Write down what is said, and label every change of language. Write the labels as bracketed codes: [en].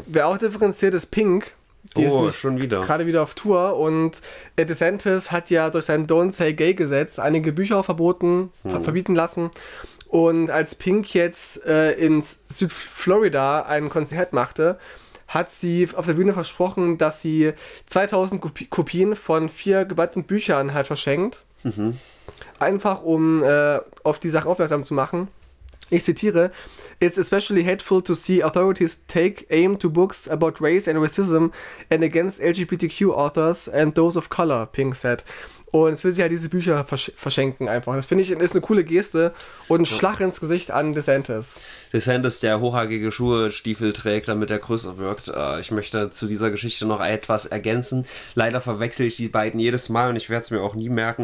[de] Wer auch differenziert, ist Pink. Gerade wieder auf Tour und DeSantis hat ja durch sein Don't Say Gay Gesetz einige Bücher verbieten lassen und als Pink jetzt in Südflorida ein Konzert machte, hat sie auf der Bühne versprochen, dass sie 2000 Kopien von 4 gebrannten Büchern halt verschenkt, einfach um auf die Sache aufmerksam zu machen. Ich zitiere, [en] it's especially hateful to see authorities take aim to books about race and racism and against LGBTQ authors and those of color, Pink said. [de] Und jetzt will sie halt diese Bücher verschenken einfach. Das finde ich, ist eine coole Geste und ein Schlag ins Gesicht an DeSantis. DeSantis, der hochhackige Schuhe, Stiefel trägt, damit er größer wirkt. Ich möchte zu dieser Geschichte noch etwas ergänzen. Leider verwechsel ich die beiden jedes Mal und ich werde es mir auch nie merken.